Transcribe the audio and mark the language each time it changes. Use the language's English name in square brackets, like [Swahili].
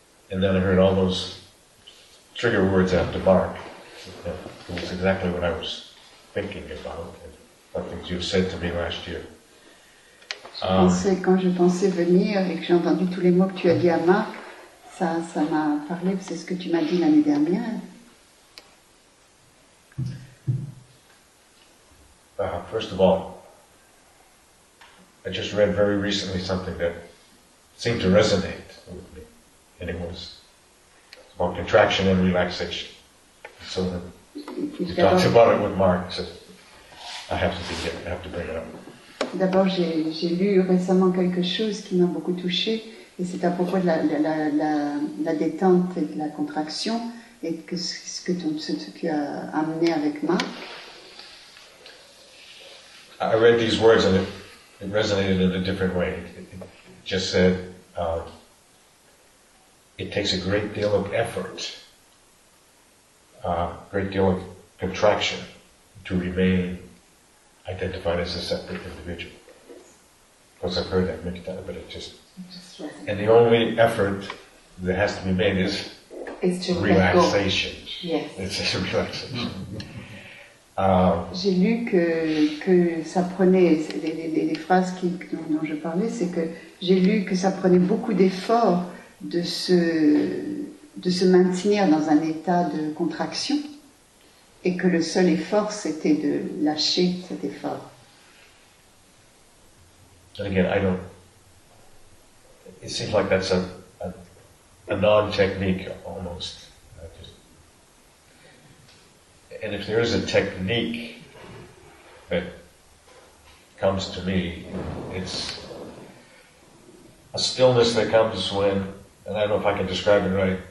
[English] And then I heard all those trigger words have to bark. It was exactly what I was thinking about and what things you said to me last year. [French] Quand je pensais venir et que j'ai entendu tous les mots que tu as dit à Marc, ça m'a parlé, c'est ce que tu m'as dit l'année dernière. [English] First of all, I just read very recently something that seemed to resonate with me, and it was about contraction and relaxation. So then you talked about it with Marc, so I have to bring it up. [French] D'abord, j'ai lu récemment quelque chose qui m'a beaucoup touchée, et c'est à propos de la détente et de la contraction, et que ce qui a amené avec Marc. [English] I read these words and it resonated in a different way. It just said, it takes a great deal of effort, a great deal of contraction to remain identified as a separate individual. Of course, I've heard that many times, but it just and the only effort that has to be made is to relaxation. Yes. It's a relaxation. [French] J'ai lu que ça prenait les phrases dont je parlais, c'est que j'ai lu que ça prenait beaucoup d'efforts de se maintenir dans un état de contraction. Et que le seul effort, c'était de lâcher cet effort. [English] And again, I don't. It seems like that's a non-technique almost. And if there is a technique that comes to me, it's a stillness that comes when, and I don't know if I can describe it right.